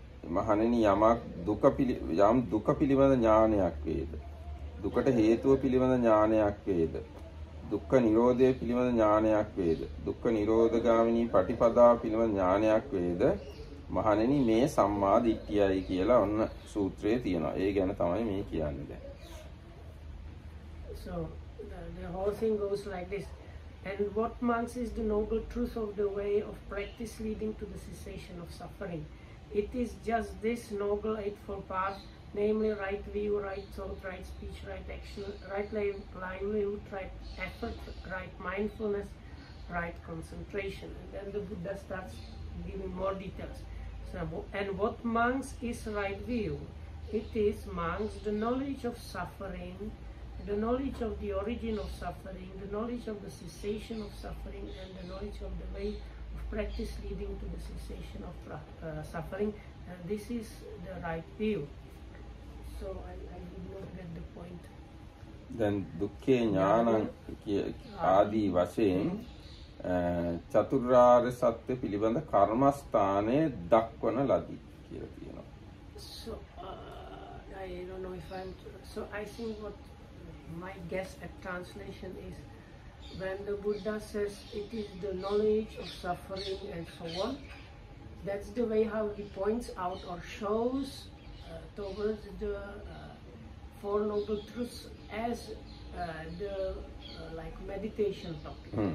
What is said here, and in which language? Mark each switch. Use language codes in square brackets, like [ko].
[si] මහණෙනි යමක් දුක යම් දුක පිළිබඳ ඥානයක් වේද, දුකට හේතුව පිළිබඳ ඥානයක් වේද, දුක්ඛ නිරෝධය පිළිබඳ ඥානයක් වේද, දුක්ඛ නිරෝධගාමිනී පටිපදා පිළිබඳ ඥානයක් වේද? මහණෙනි මේ සම්මා දිට්ඨියයි කියලා ඔන්න සූත්‍රයේ තියෙනවා. ඒ ගැන තමයි මේ කියන්නේ දැන්. [en] So the whole thing goes like this. And what monks is the noble truth of the way of practice leading to the cessation of suffering? It is just this noble eightfold path, namely right view, right thought, right speech, right action, right livelihood, right effort, right mindfulness, right concentration. And then the Buddha starts giving more details. And what monks is right view? It is monks the knowledge of suffering, the knowledge of the origin of suffering, the knowledge of the cessation of suffering, and the knowledge of the way of practice leading to the cessation of suffering. And this is the right view. So I did not get the point. [pi] Then dukkhe jnanam adi vasen. [si] චතුරාර්ය සත්‍ය පිළිබඳ කර්මස්ථානයේ දක්වන ලදි කියලා කියනවා. [en] So I don't know if I'm so I think what my guess at translation is when the Buddha says it is the knowledge of suffering and so on, that's the way how he points out or shows towards the Four Noble Truths as the like meditation topic.